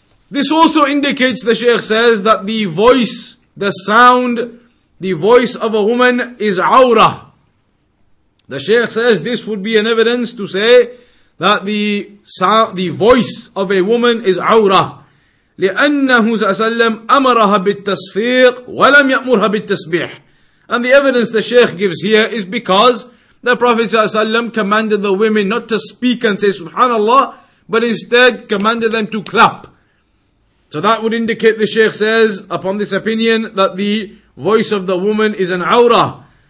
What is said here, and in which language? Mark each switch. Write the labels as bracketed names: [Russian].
[English] This also indicates, the Shaykh says, that the voice, the sound, the voice of a woman is awra. The Shaykh says this would be an evidence to say that the sound, the voice of a woman is awra. [Arabic] لأنه صلى الله عليه وسلم أمرها بالتصفيق ولم يأمرها بالتسبيح. [English] And the evidence the Shaykh gives here is because the Prophet [Arabic] صلى الله عليه وسلم [English] commanded the women not to speak and say subhanallah, but instead commanded them to clap. So that would indicate, the Shaykh says, upon this opinion, that the voice of the woman is an awra.